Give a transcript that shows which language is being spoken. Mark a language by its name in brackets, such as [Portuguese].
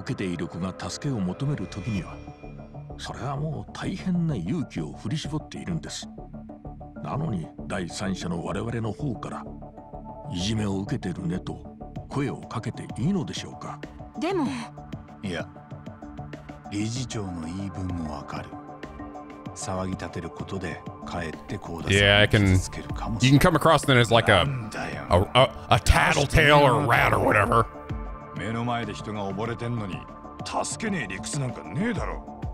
[Japanese] 何かの本にそう書いてあったんでしょうね、つくもさん。でも私の経験上、いじめ被害者というのは、自分がいじめられていることを人に知られたくないんですか。家族にも友達や知り合いにも。だからいじめを受けている子が助けを求めるときには、 それはもう大変な勇気を振り絞っているんです。なのに第三者の我々の方から、いじめを受けてるねと声をかけていいのでしょうか。でも、いや、理事長の言い分もわかる。騒ぎ立てることでかえって行動を傷つけるかもしれない。 [English] You can come across then as like a tattletale or rat or whatever. [Japanese] 目の前で人が溺れてんのに助けねえ理屈なんかねえだろ。